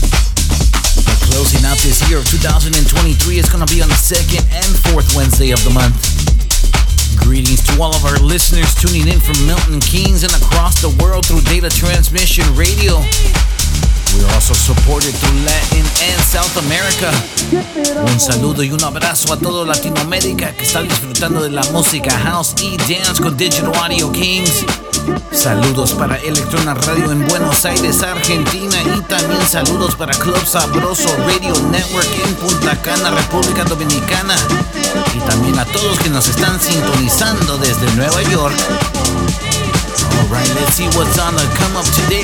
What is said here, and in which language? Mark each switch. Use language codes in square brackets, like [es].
[en] But closing out this year of 2023, it's going to be on the second and fourth Wednesday of the month. Greetings to all of our listeners tuning in from Milton Keynes and across the world through Data Transmission Radio. We are also supported through Latin and South America. [es] Un saludo y un abrazo a todo Latinoamérica que está disfrutando de la música house y dance con Digital Audio Kings. Saludos para Electrona Radio en Buenos Aires, Argentina, y también saludos para Club Sabroso Radio Network en Punta Cana, República Dominicana, y también a todos que nos están sintonizando desde Nueva York. [en] Alright, let's see what's on the come up today.